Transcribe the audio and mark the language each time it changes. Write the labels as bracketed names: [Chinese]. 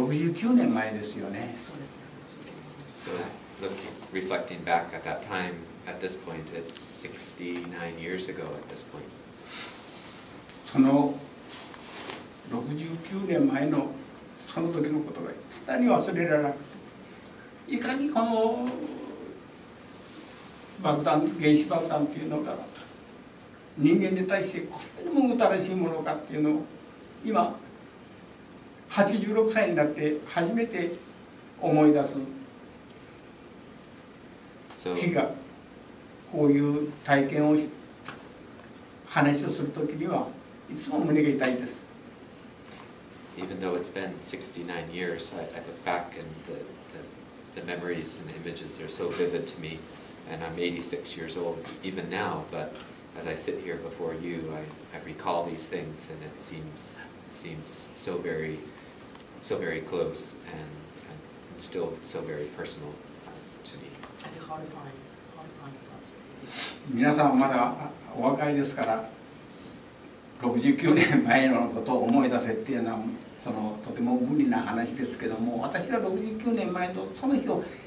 [Japanese] でもその時の状態を考えると、今から約69年前ですよね。そうですね。So [English] looking, reflecting back at that time, at this point, it's 69 years ago at this point. [Japanese] その 69年前のその時のことが、いかに忘れられなくて、いかにこの 爆弾、原子爆弾っていうのが人間に対してこんなにも新しいものかっていうのを今86歳になって初めて思い出す日が、こういう体験を話をするときにはいつも胸が痛いです。 [English] Even though it's been 69 years, I look back and the memories and the images are so vivid to me. And I'm 86 years old even now, but as I sit here before you, I recall these things, and it seems so very close and still so very personal to me. And horrifying thoughts. [Japanese] 皆さんまだお若いですから、69年前のことを思い出せっていうのはとても無理な話ですけども、私が69年前のその日を